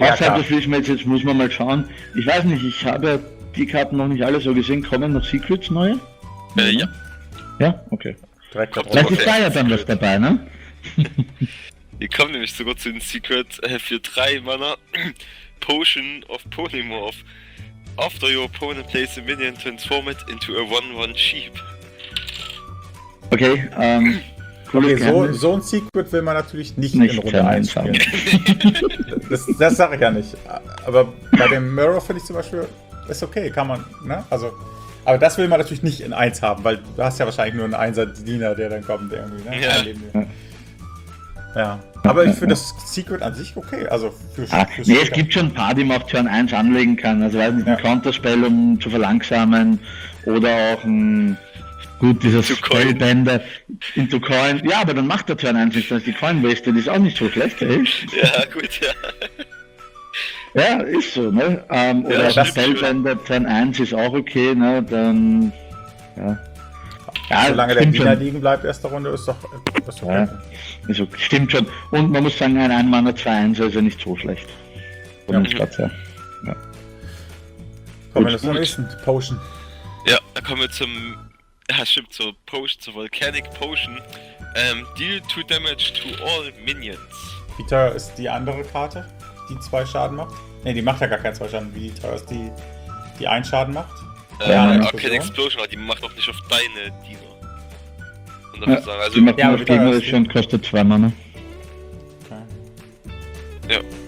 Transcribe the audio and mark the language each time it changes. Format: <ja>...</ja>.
<de>Was hat das Freeze Mage jetzt? Muss man mal schauen. Ich weiß nicht, ich habe die Karten noch nicht alle so gesehen. Kommen noch Secrets neue? Ja. Ja, okay. Direkt da drauf. Da ist dann was dabei, ne? Ihr kommt nämlich sogar zu den Secret für 3 Mana Potion of Polymorph.</de> <en>After your opponent plays a minion, transform it into a 1-1 Sheep.</en> <de>Okay, cool. Okay, so ein Secret will man natürlich nicht in Runde 1 spielen. das sag ich ja nicht. Aber bei dem Mirror finde ich zum Beispiel, ist okay, kann man, ne? Also, aber das will man natürlich nicht in 1 haben, weil du hast ja wahrscheinlich nur einen 1er-Diener, der dann kommt irgendwie, ne? Ja. Ja, aber ich finde das Secret an sich okay, also es gibt schon ein paar, die man auf Turn 1 anlegen kann, also weiß nicht, ein Counterspell, um zu verlangsamen, oder auch ein, gut, dieses Spellbänder into Coin, ja, aber dann macht der Turn 1 nicht, dann ist die Coin Waste, die ist auch nicht so schlecht, ey. Ja, gut, ja. Ja, ist so, ne, oder ja, Spellbänder Turn 1 ist auch okay, ne, dann, ja. Ja, solange der Diener liegen bleibt, erste Runde, ist doch okay. Ja, also, stimmt schon. Und man muss sagen, ein Mana 2-1 ist ja nicht so schlecht. Ja. Kommen wir zum nächsten Potion. Ja, da kommen wir zum. Ja, stimmt, zur Potion, zur Volcanic Potion.</de> <en>Deal 2 damage to all minions.</en> <de>Vita ist die andere Karte, die 2 Schaden macht. Ne, die macht ja gar keinen 2 Schaden. Vita ist die, die 1 Schaden macht. Arcane Explosion, aber die macht auch nicht auf deine Diener. Und ja, sagen, also die macht nur auf Gegner und kostet 2 Mana. Okay. Ja.</de>